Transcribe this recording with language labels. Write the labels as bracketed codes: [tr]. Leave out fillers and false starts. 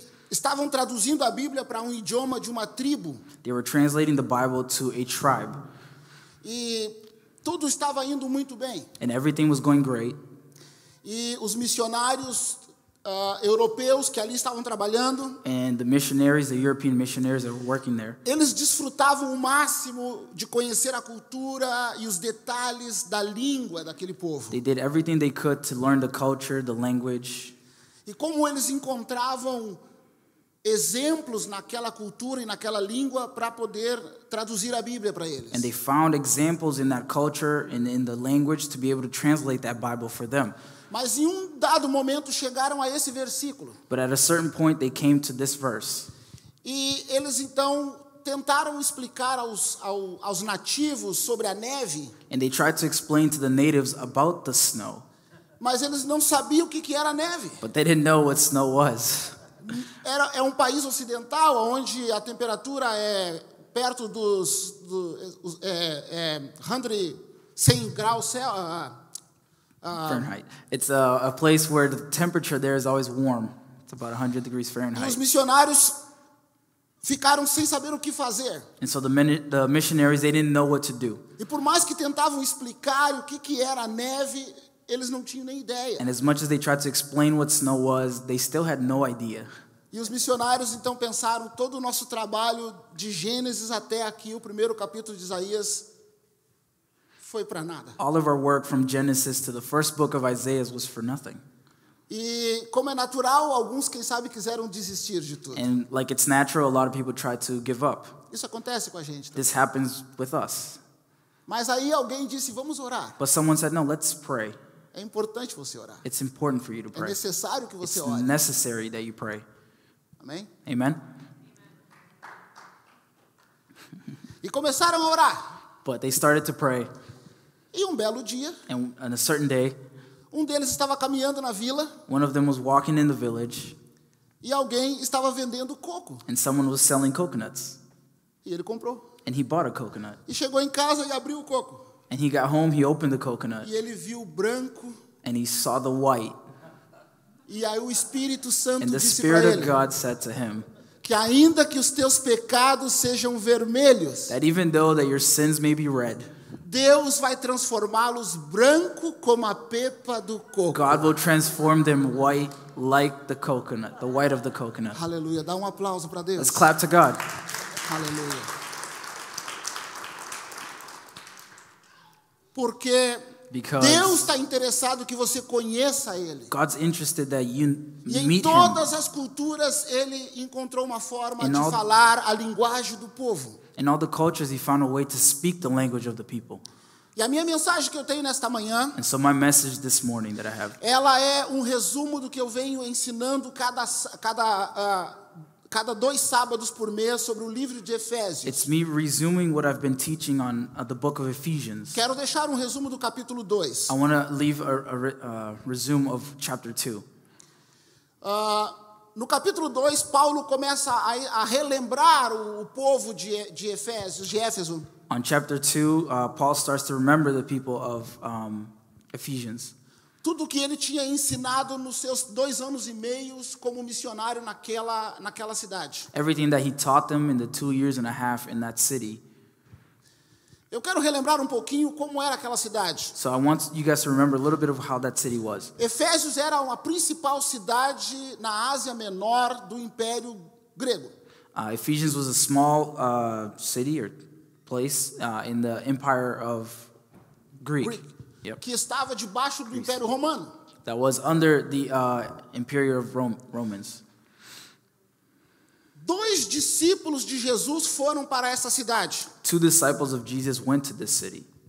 [pt] estavam traduzindo a Bíblia para um idioma de uma tribo. [en] They were translating the Bible to a tribe. [pt] E tudo estava indo muito bem. [en] And everything was going great. [pt] E os missionários... europeus que ali estavam trabalhando. [en] And the missionaries, the European missionaries that were working there. [pt] Eles desfrutavam o máximo de conhecer a cultura e os detalhes da língua daquele povo. [en] They did everything they could to learn the culture, the language. [pt] E como eles encontravam exemplos naquela cultura e naquela língua para poder traduzir a Bíblia para eles. [en] And they found examples in that culture and in the language to be able to translate that Bible for them. [pt] Mas em um dado momento chegaram a esse versículo. [en] But at a certain point they came to this verse. [pt] E eles então tentaram explicar aos nativos sobre a neve. [en] And they tried to explain to the natives about the snow. [pt] Mas eles não sabiam o que era neve. [en] But they didn't know what snow was. [pt] É um país ocidental onde a temperatura é perto dos 100 graus [en] Fahrenheit. It's a place where the temperature there is always warm. It's about 100 degrees Fahrenheit. [pt] E os missionários ficaram sem saber o que fazer. [en] And so the missionaries, they didn't know what to do. [pt] E por mais que tentavam explicar o que era neve, eles não tinham nem ideia. [en] And as much as they tried to explain what snow was, they still had no idea. [pt] E os missionários então pensaram todo o nosso trabalho de Gênesis até aqui, o primeiro capítulo de Isaías, foi para nada. [en] All of our work from Genesis to the first book of Isaiah was for nothing. [pt] E como é natural, alguns quem sabe quiseram desistir de tudo. [en] And like it's natural, a lot of people try to give up. [pt] Isso acontece com a gente. [en] This happens with us. [pt] Mas aí alguém disse, vamos orar. [en] But someone said, no, let's pray. [pt] É importante você orar. [en] It's important for you to pray. [pt] É necessário que você ore. [en] It's necessary that you pray. [pt] Amém? [en] Amen. [pt] E começaram a orar. [en] But they started to pray. [pt] E um belo dia, [en] and a certain day, [pt] deles estava caminhando na vila, [en] one of them was walking in the village, [pt] e alguém estava vendendo coco, [en] and someone was selling coconuts, [pt] e ele comprou, [en] and he bought a coconut, [pt] e chegou em casa e abriu o coco, [en] and he got home, he opened the coconut, [pt] e ele viu o branco, [en] and he saw the white, [pt] e aí o Espírito Santo [en] and [pt] disse [en] the Spirit of God said to him, [pt] que ainda que os teus pecados sejam vermelhos, [en] that even though that your sins may be red, [pt] Deus vai transformá-los branco como a pepa do coco. [en] God will transform them white like the coconut, the white of the coconut. [pt] Aleluia, dá aplauso para Deus. [en] Let's clap to God. [pt] Aleluia. Porque [en] Because [pt] Deus está interessado que você conheça ele. [en] God's interested that you [pt] e [en] meet [pt] em todas [en] him. [pt] As culturas ele encontrou uma forma in de all, falar a linguagem do povo. [en] In all the cultures he found a way to speak the language of the people. [pt] E a minha mensagem que eu tenho nesta manhã, [en] and so my message this morning that I have, [pt] ela é um resumo do que eu venho ensinando cada dois sábados por mês sobre o livro de Efésios. [en] It's me resuming what I've been teaching on the book of Ephesians. [pt] Quero deixar um resumo do capítulo 2. [en] I want to leave a resume of chapter 2. [pt] No capítulo 2, Paulo começa a relembrar o povo de Efésios, de Éfeso. [en] On chapter 2, Paul starts to remember the people of Ephesians. [pt] Tudo que ele tinha ensinado nos seus dois anos e meio como missionário naquela cidade. [en] Everything that he taught them in the 2 years and a half in that city. [pt] Eu quero relembrar um pouquinho como era aquela cidade. [en] So I want you guys to remember a little bit of how that city was. [pt] Efésios era uma principal cidade na Ásia Menor do Império Grego. [en] Ephesians was a small city or place in the Empire of Greek. Greek. Yep. [pt] Que estava debaixo do Império Romano. [en] That was under the Imperium of Romans. [pt] Dois discípulos de Jesus foram para essa cidade. [en] Two disciples of Jesus went to this city.